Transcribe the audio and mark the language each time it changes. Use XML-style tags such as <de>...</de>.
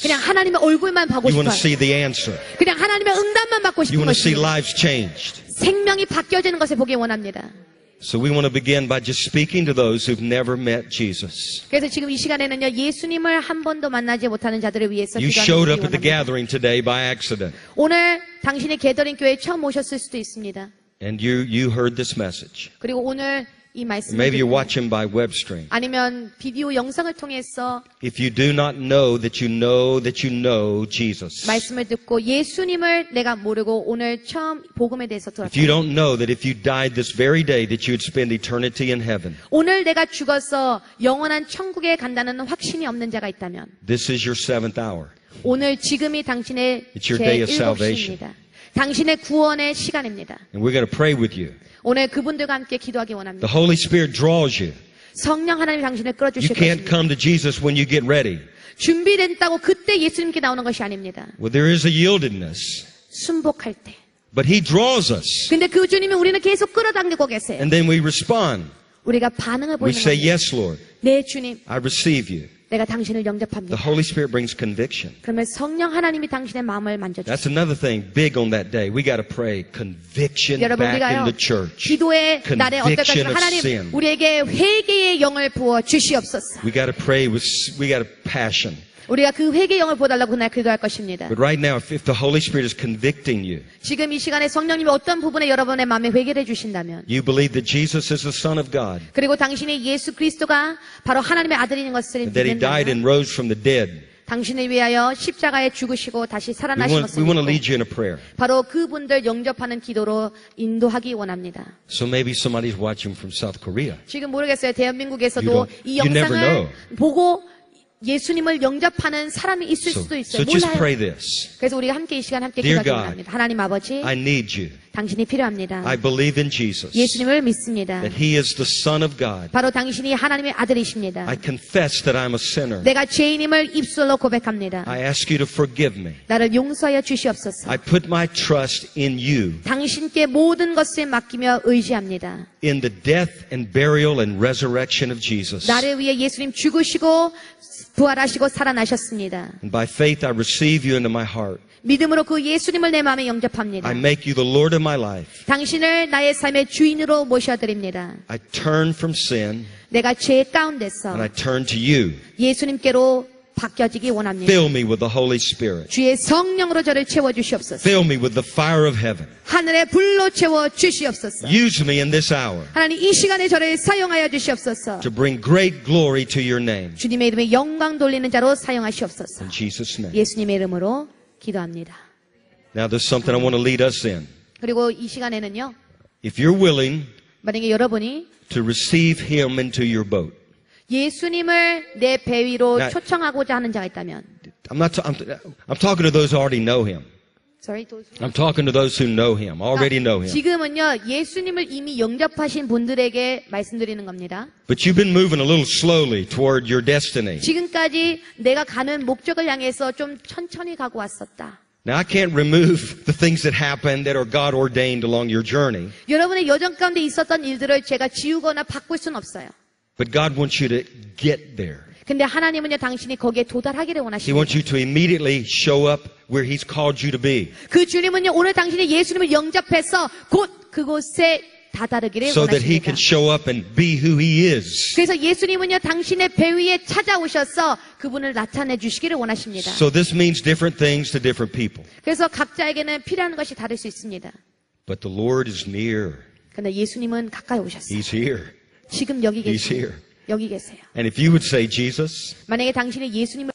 <ko>그냥 하나님의 얼굴만 보고 싶어요.</ko> <en>You want to see the answer.</en> <ko>그냥 하나님의 응답만 받고 싶어요.</ko> <en>You want to see lives changed.</en> <ko>생명이 바뀌어지는 것을 보기 원합니다.</ko> <en>So we want to begin by just speaking to those who've never met Jesus.</en> <ko>그래서 지금 이 시간에는요 예수님을 한 번도 만나지 못하는 자들을 위해서</ko> <en>You showed up at the gathering today by accident.</en> <ko>오늘 당신이 게더링 교회에 처음 오셨을 수도 있습니다.</ko> <en>And you heard this message.</en> <ko>그리고 오늘 이 말씀을</ko> <en>Maybe you're watching by web stream.</en> <ko>아니면 비디오 영상을 통해서</ko> <en>If you do not know that you know that you know Jesus.</en> <ko>말씀을 듣고 예수님을 내가 모르고 오늘 처음 복음에 대해서 들었다.</ko> <en>If you don't know that if you died this very day that you would spend eternity in heaven.</en> <ko>오늘 내가 죽어서 영원한 천국에 간다는 확신이 없는 자가 있다면</ko> <en>This is your seventh hour.</en> <ko>오늘 지금이 당신의</ko> <en>It's your day of salvation.</en> <ko>당신의 구원의 시간입니다.</ko> <en>And we're going to pray with you.</en> <ko>오늘 그분들과 함께 기도하기 원합니다.</ko> <en>The Holy Spirit draws you.</en> <ko>성령 하나님이 당신을 끌어 주실 것입니다.</ko> <en>You can't come to Jesus when you get ready.</en> <ko>준비된다고 그때 예수님께 나오는 것이 아닙니다.</ko> <en>Well, there is a yieldedness.</en> <ko>순복할 때.</ko> <en>But he draws us.</en> <ko>근데 그 주님이 우리는 계속 끌어당기고 계세요.</ko> <en>And then we respond.</en> <ko>우리가 반응을 보이는 거예요.</ko> <en>We say yes, Lord.</en> <ko>네, 주님.</ko> <en>I receive you.</en> <ko>내가 당신을 영접합니다.</ko> <en>The Holy Spirit brings conviction.</en> <ko>그러면 성령 하나님이 당신의 마음을 만져 주세요.</ko> <en>That's another thing big on that day. We got to pray conviction</en> <ko>여러분,</ko> <en>back</en> <ko>우리가요,</ko> <en>in the church.</en> <ko>기도의 날에 어떨까요? 하나님</ko> <en>sin.</en> <ko>우리에게 회개의 영을 부어 주시옵소서.</ko> <en>We got to pray with we got a passion.</en> <ko>우리가 그 회개의 영을 부어 달라고 그날 기도할 것입니다.</ko> <en>But right now if the Holy Spirit is convicting you.</en> <ko>지금 이 시간에 성령님이 어떤 부분에 여러분의 마음에 회개를 해 주신다면</ko> <en>You believe that Jesus is the Son of God.</en> <ko>그리고 당신이 예수 그리스도가 바로 하나님의 아들인 것을 믿는다면</ko> <en>That he died and rose from the dead.</en> <ko>당신을 위하여 십자가에 죽으시고 다시 살아나신 것을</ko> <en>We want to lead you in a prayer.</en> <ko>바로 그분들 영접하는 기도로 인도하기 원합니다.</ko> <en>So maybe somebody's watching from South Korea.</en> <ko>지금 모르겠어요. 대한민국에서도 이 영상을 보고 예수님을 영접하는 사람이 있을 수도 있어요. 몰라요.</ko> <en>So just pray this.</en> <ko>그래서 우리가 함께 이 시간 함께 기도합니다. 하나님 아버지,</ko> <en>I need you.</en> <ko>당신이 필요합니다.</ko> <en>I believe in Jesus.</en> <ko>예수님을 믿습니다.</ko> <en>That he is the Son of God.</en> <ko>바로 당신이 하나님의 아들이십니다.</ko> <en>I confess that I'm a sinner.</en> <ko>내가 죄인임을 입술로 고백합니다.</ko> <en>I ask you to forgive me.</en> <ko>나를 용서하여 주시옵소서.</ko> <en>I put my trust in you.</en> <ko>당신께 모든 것을 맡기며 의지합니다.</ko> <en>In the death and burial and resurrection of Jesus.</en> <ko>나를 위해 예수님 죽으시고 부활하시고 살아나셨습니다.</ko> <en>And by faith I receive you into my heart.</en> <ko>믿음으로 그 예수님을 내 마음에 영접합니다.</ko> <en>I make you the Lord of my life.</en> <ko>당신을 나의 삶의 주인으로 모셔드립니다.</ko> <en>I turn from sin.</en> <ko>내가 죄 가운데서</ko> <en>And I turn to you.</en> <ko>예수님께로 바뀌어지기 원합니다.</ko> <en>Fill me with the Holy Spirit.</en> <ko>주의 성령으로 저를 채워 주시옵소서.</ko> <en>Fill me with the fire of heaven.</en> <ko>하늘의 불로 채워 주시옵소서.</ko> <en>Use me in this hour.</en> <ko>하나님 이 시간에 저를 사용하여 주시옵소서.</ko> <en>To bring great glory to your name.</en> <ko>주님의 이름에 영광 돌리는 자로 사용하시옵소서.</ko> <en>In Jesus' name.</en> <ko>예수님의 이름으로 기도합니다.</ko> <en>Now there's something I want to lead us in.</en> <ko>그리고 이 시간에는요.</ko> <en>If you're willing,</en> <ko>만약에 여러분이</ko> <en>to receive him into your boat.</en> <ko>예수님을 내 배 위로 Now, 초청하고자 하는 자가 있다면</ko> <en>I'm talking to those who already know him. Sorry. I'm talking to those who know him. Already know him.</en> <ko>지금은요. 예수님을 이미 영접하신 분들에게 말씀드리는 겁니다.</ko> <en>But you've been moving a little slowly toward your destiny.</en> <ko>지금까지 내가 가는 목적을 향해서 좀 천천히 가고 왔었다.</ko> <en>Now I can't remove the things that happened that are God ordained along your journey.</en> <ko>여러분의 여정 가운데 있었던 일들을 제가 지우거나 바꿀 순 없어요.</ko> <en>But God wants you to get there.</en> <ko>근데 하나님은요 당신이 거기에 도달하기를 원하십니다.</ko> <en>He wants you to immediately show up where He's called you to be.</en> <ko>그 주님은요 오늘 당신이 예수님을 영접해서 곧 그곳에 다다르기를 so 원하십니다.</ko> <en>That he can show up and be who he is.</en> <ko>그래서 예수님은요 당신의 배 위에 찾아오셔서 그분을 나타내 주시기를 원하십니다.</ko> <en>So this means different things to different people.</en> <ko>그래서 각자에게는 필요한 것이 다를 수 있습니다.</ko> <en>But the Lord is near.</en> <ko>근데 예수님은 가까이 오셨어요.</ko> <en>He's here.</en> <ko>지금 여기 계세요.</ko> <en>He's here.</en> <ko>여기 계세요.</ko> <en>And if you would say Jesus,</en> <ko>만약에 당신이 예수님을</ko>